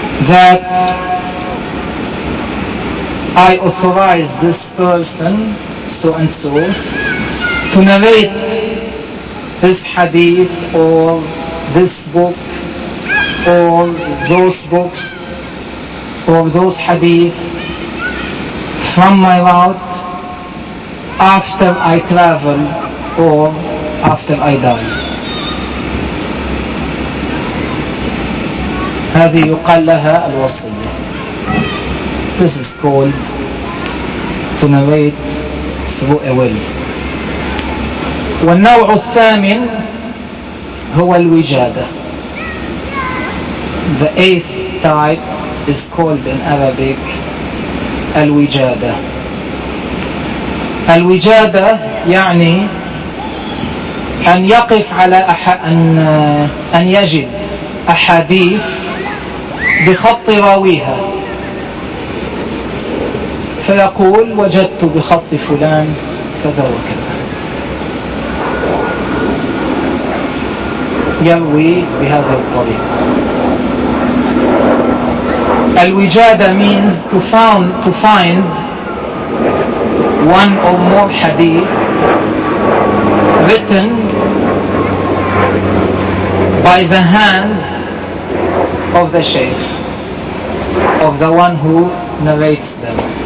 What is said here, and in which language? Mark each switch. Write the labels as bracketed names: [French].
[English] that I authorize this person, so and so, to narrate this hadith or this book or those books or those hadith from my route after I travel or after I die. [Arabic] هذه يقال لها الوصية. [English] This is called to narrate الأسبوع أول. [Arabic] والنوع الثامن هو الوجادة. [English] The eighth type is called in Arabic الوجادة. [Arabic] الوجادة يعني أن يقف على أن يجد أحاديث بخط راويها فيقول وجدت بخط فلان كذا وكذا يروي بهذا الطريق. [English] الوجادة means to find one or more hadith written by the hand of the sheikh, of the one who narrates them.